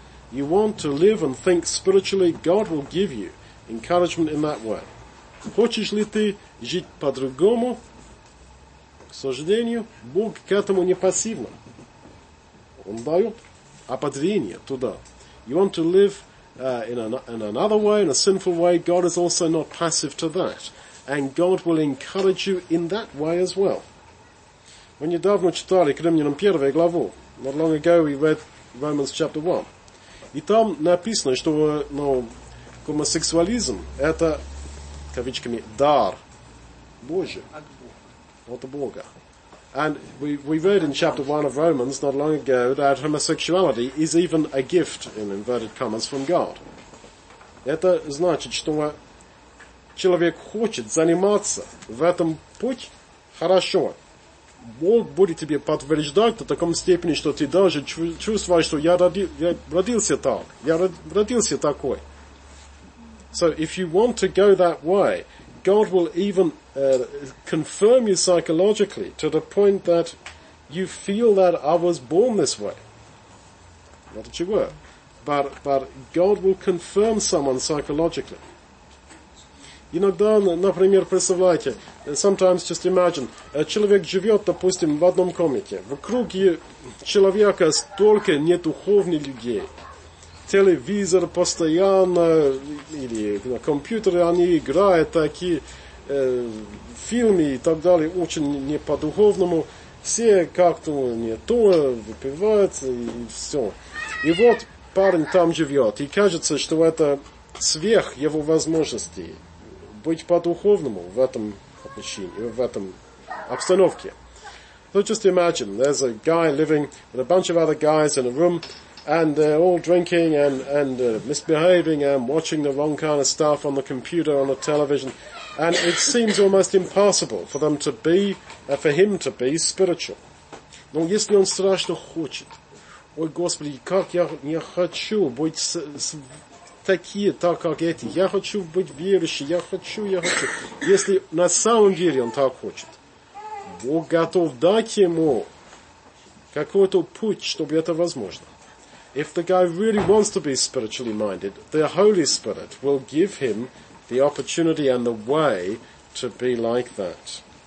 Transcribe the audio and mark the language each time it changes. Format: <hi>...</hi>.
<en>You want to live and think spiritually, God will give you encouragement in that way.</en> <ru>Хочешь ли ты жить по-другому, к сожалению, Бог к этому не пассивно. Он дает ободрение туда.</ru> <en>You want to live in another way, in a sinful way, God is also not passive to that. And God will encourage you in that way as well.</en> <ru>Мы недавно читали Римлянам 1 главу.</ru> <en>Not long ago we read Romans chapter 1.</en> <ru>И там написано, что гомосексуализм – это, кавычками, дар Божий. От Бога.</ru> <en>And we read in chapter 1 of Romans not long ago that homosexuality is even a gift, in inverted commas, from God.</en> <ru>Это значит, что человек хочет заниматься в этом путь, хорошо. Бог будет тебе подтверждать до такой степени, что ты даже чувствуешь, что я родился такой.</ru> <en>So if you want to go that way, God will even confirm you psychologically to the point that you feel that I was born this way. Not that you were. But God will confirm someone psychologically.</en> <ru>Иногда, например, представляете,</ru> <en>sometimes just imagine,</en> <ru>человек живет, допустим, в одном комнате. Вокруг человека столько недуховных людей. телевизор постоянно, или на компьютере они играют такие фильмы и так далее, очень не по-духовному, все как-то не то, выпивают и все. И вот парень там живет, и кажется, что это сверх его возможностей быть по-духовному в этом отношении, в этом обстановке.</ru> <en>So just imagine, there's a guy living with a bunch of other guys in a room, and they're all drinking and misbehaving and watching the wrong kind of stuff on the computer, on the television, and it seems almost impossible for them to be, for him to be spiritual.</en> <ru>Но если он страшно хочет, ой, Господи, как я хочу быть такие, так как эти, я хочу быть верующим, я хочу. Если на самом деле он так хочет, Бог готов дать ему какой-то путь, чтобы это возможно.</ru> <en>If the guy really wants to be spiritually minded, the Holy Spirit will give him the opportunity and the way to be like that.</en>